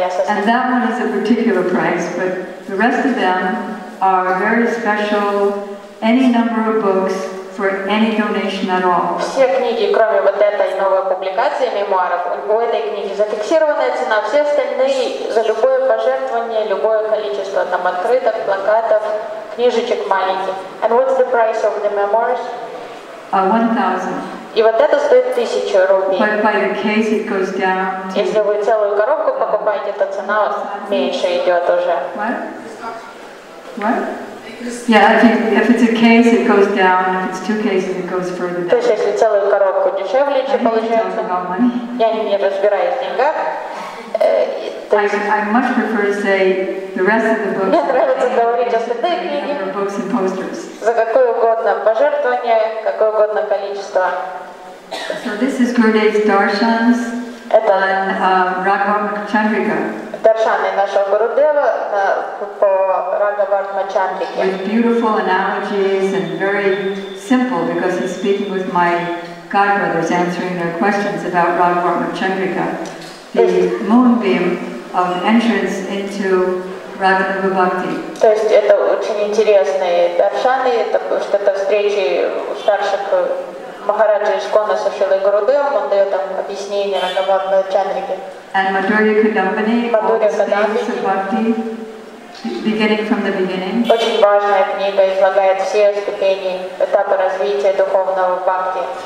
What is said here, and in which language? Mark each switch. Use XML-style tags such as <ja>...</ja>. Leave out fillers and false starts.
<en>And that one is a particular prize, but the rest of them are very special, any number of books for any donation at all.</en> <ru>Все книги, кроме вот этой новой публикации мемуаров, у этой книги зафиксированная цена, все остальные за любое пожертвование, любое количество там открыток, плакатов, книжечек маленьких.</ru> <en>And what's the price of the memoirs? 1,000.</en> <ru>И вот это стоит 1000 рублей.</ru> <en>But by the case it goes down to...</en> <ru>Если вы целую коробку покупаете, то цена меньше идет уже.</ru> <en>What? Yeah, if it's a case, it goes down. If it's two cases, it goes further down.</en> <ru>То есть если целую коробку дешевле, чем получается? Я не разбираюсь в деньгах.</ru> <en>I much prefer to say the rest of the books.</en> <ru>Мне нравится говорить о остальных книгах.</ru> <en>Books and posters.</en> <ru>За какое угодно пожертвование, какое угодно количество.</ru> <en>So this is Gurudev's darshans on Raghavan Chandrika.</en> <ru>Даршаны нашего Гурудева по Рагхаварма Чандрике.</ru> <en>With beautiful analogies and very simple, because he's speaking with my godbrothers, answering their questions about Рагхаварма Чандрика, the moonbeam of entrance into Радхарупа Бхакти.</en> <ru>То есть это очень интересные даршаны, это встречи старших Махараджи Ишкона со Шилой Гурудевом, он дает там объяснение Рагхаварма Чандрике.</ru> <en>And Madhurya Kadambani, all the stages of bhakti, beginning from the beginning.</en> <ru>Очень важная книга излагает все ступени этапа развития духовного бхакти.</ru>